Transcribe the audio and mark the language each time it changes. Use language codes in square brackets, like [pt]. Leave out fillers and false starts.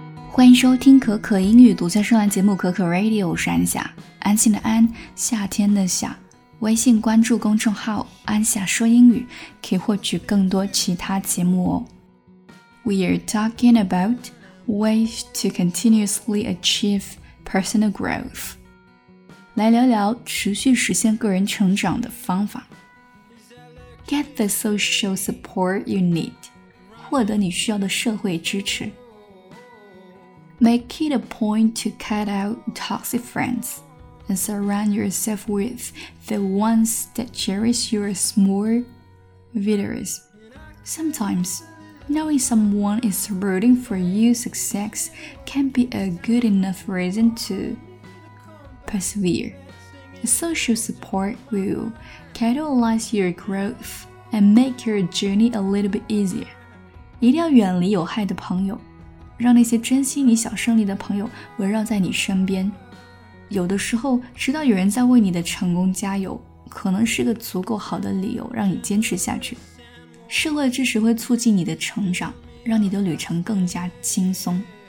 [zh] 欢迎收听可可英语独家专栏节目可可 Radio， 我是安夏，安心的安，夏天的夏。微信关注公众号安夏说英语，可以获取更多其他节目哦。 [en] We are talking about ways to continuously achieve personal growth， [zh] 来聊聊持续实现个人成长的方法。 [en] Get the social support you need， [zh] 获得你需要的社会支持。 [en] Make it a point to cut out toxic friends and surround yourself with the ones that cherish yours more vigorous. Sometimes, knowing someone is rooting for you success can be a good enough reason to persevere. The social support will catalyze your growth and make your journey a little bit easier. [zh] 一定要远离有害的朋友，让那些珍惜你小胜利的朋友围绕在你身边。有的时候，知道有人在为你的成功加油，可能是个足够好的理由让你坚持下去。社会支持会促进你的成长，让你的旅程更加轻松。